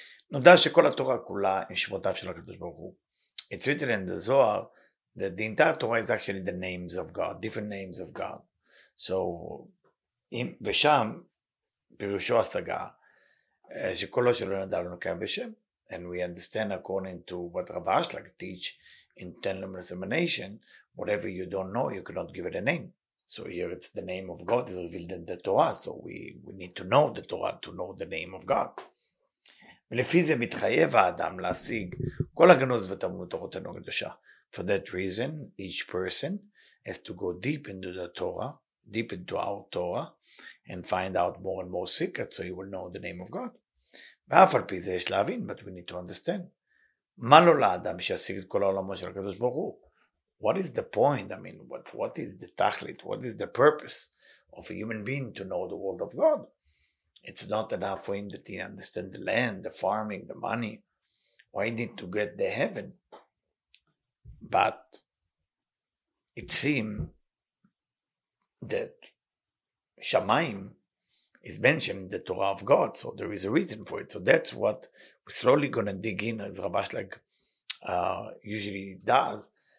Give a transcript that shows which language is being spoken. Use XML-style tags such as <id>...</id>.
<he>נודע שכל התורה כולה עם שמותיו של הקדוש ברוך הוא.</he> <en>It's written in the Zohar that the entire Torah is actually the names of God, different names of God.</en> <he>So ושם פירושו השגה שכל שלא נדע לא נקיים בשם.</he> <en>And we understand according to what Rav Ashlag teach in Ten Luminous Emanation, whatever you don't know, you cannot give it a name. So here it's the name of God is revealed in the Torah. So we need to know the Torah to know the name of God.</en> <he>ולפי זה מתחייב האדם להשיג כל הגנוז ותמונות תורתנו הקדושה.</he> <en>For that reason, each person has to go deep into the Torah, deep into our Torah, and find out more and more secrets so he will know the name of God.</en> <he>ואף על פי זה יש להבין,</he> <en>but we need to understand.</en> <he>מה לא לאדם שישיג את כל העולמו של הקדוש ברוך הוא?</he> <en>What is the point? I mean, what is the tachlit? What is the purpose of a human being to know the world of God? It's not enough for him that he understand the land, the farming, the money. Why need to get the heaven? But it seems that Shamayim is mentioned in the Torah of God, so there is a reason for it. So that's what we're slowly going to dig in, as Rav Ashlag usually does.</en>